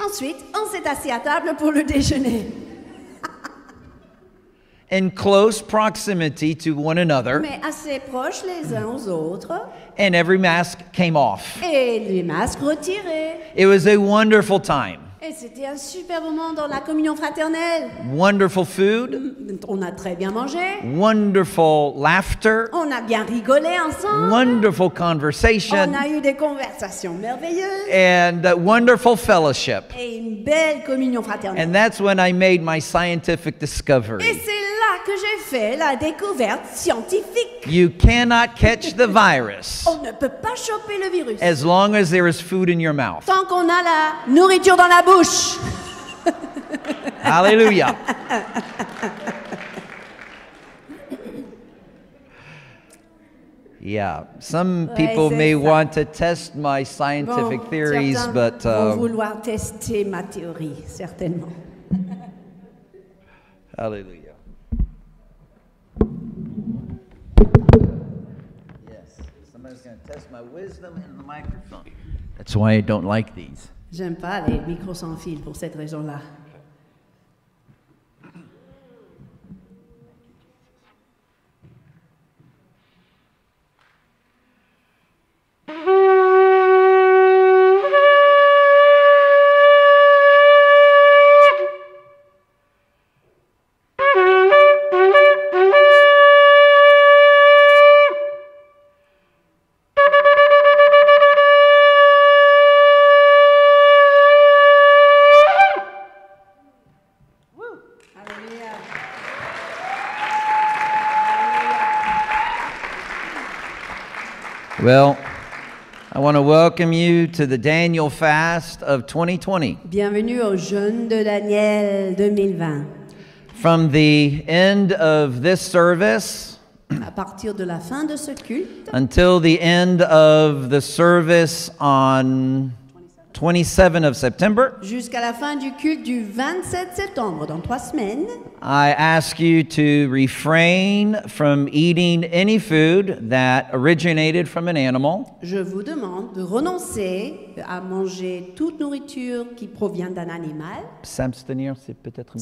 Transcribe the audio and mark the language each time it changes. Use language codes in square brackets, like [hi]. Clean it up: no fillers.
[fr] Ensuite, on s'est assis à table pour le déjeuner. [en] In close proximity to one another. [fr] Mais assez proches les uns aux autres. [en] And every mask came off. [fr] Et les masques retirés. [en] It was a wonderful time. [fr] Et c'était un super moment dans la communion fraternelle. [en] Wonderful food. [fr] On a très bien mangé. [en] Wonderful laughter. [fr] On a bien rigolé ensemble. [en] Wonderful conversation. [fr] On a eu des conversations merveilleuses. [en] And a wonderful fellowship. [fr] Et une belle communion fraternelle. [en] And that's when I made my scientific discovery. [fr] Et c'est là que j'ai fait la découverte scientifique. [en] You cannot catch the virus. [fr] On ne peut pas choper le virus. [en] As long as there is food in your mouth. [fr] Tant qu'on a la nourriture dans la bouche. [en] Hallelujah. Yeah, some people may want to test my scientific theories, but [fr] vont vouloir tester ma théorie, certainement. [en] Hallelujah. Yes, somebody's going to test my wisdom in the microphone. That's why I don't like these. [fr] J'aime pas les micros sans fil pour cette raison-là. [en] Well, I want to welcome you to the Daniel fast of 2020. [fr] Bienvenue au jeûne de Daniel 2020. [en] From the end of this service, [fr] à partir de la fin de ce culte, [en] until the end of the service on 27 of September, [fr] jusqu'à la fin du culte du 27 septembre, dans 3 semaines, [en] I ask you to refrain from eating any food that originated from an animal. [fr] Je vous demande de renoncer à manger toute nourriture qui provient d'un animal. S'abstenir, c'est peut-être mieux.